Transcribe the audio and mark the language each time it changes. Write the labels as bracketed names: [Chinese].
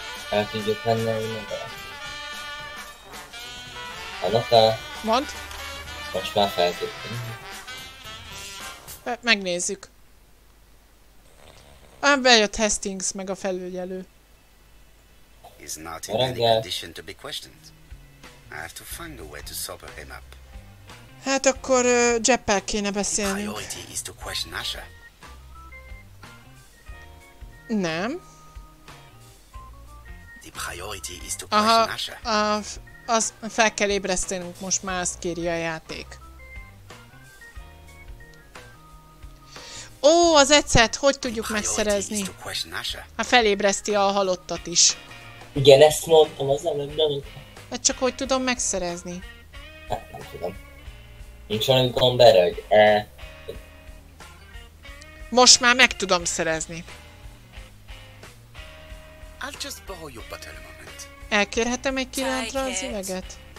[Hungarian] El tudjuk venni a nyomozva. Anoka? Mondd? Most már fel tudtunk. Megnézzük. Ám bejött Hastings, meg a felügyelő. [English] He's not in any condition to be questioned. I have to find a way to sober him up. [Hungarian] Hát akkor Jeppel kéne beszélni. [English] Priority is to question Asha. [Hungarian] Nem. [English] The priority is to question Asha. [Hungarian] Aha, az fel kell ébresztenünk, most már azt kéri a játék. Ó, az ecet, hogy tudjuk megszerezni? Hát felébreszti a halottat is. Igen, ezt mondtam az előbb. Hát csak hogy tudom megszerezni? Hát nem tudom. Nincs olyan gomb erre, hogy Most már meg tudom szerezni. [English] I'll just borrow your bottle a moment. [Hungarian] Elkérhetem egy kilátra az üveget?